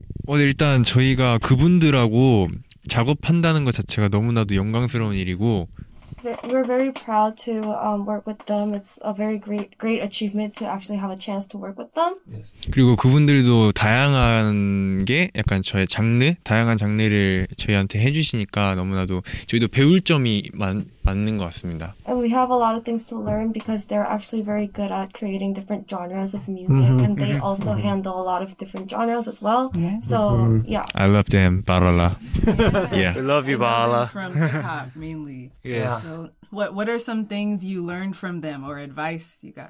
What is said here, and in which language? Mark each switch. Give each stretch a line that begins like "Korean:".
Korean: 일단 저희가 그분들하고 작업한다는 것 자체가 너무나도 영광스러운 일이고
English: We're very proud to work with them. It's a very great achievement to actually have a chance to work with them. Yes.
Korean: 그리고 그분들도 다양한 게 약간 저의 장르, 다양한 장르를 저희한테 해 주시니까 너무나도 저희도 배울 점이 많은 것 같습니다.
English: And we have a lot of things to learn because they're actually very good at creating different genres of music and they also handle a lot of different genres as well. Yeah. So, yeah. I love them, Valhalla. Yeah. We love you, Valhalla. From hip hop mainly. Yeah. So what are some things you learned from them or advice you got?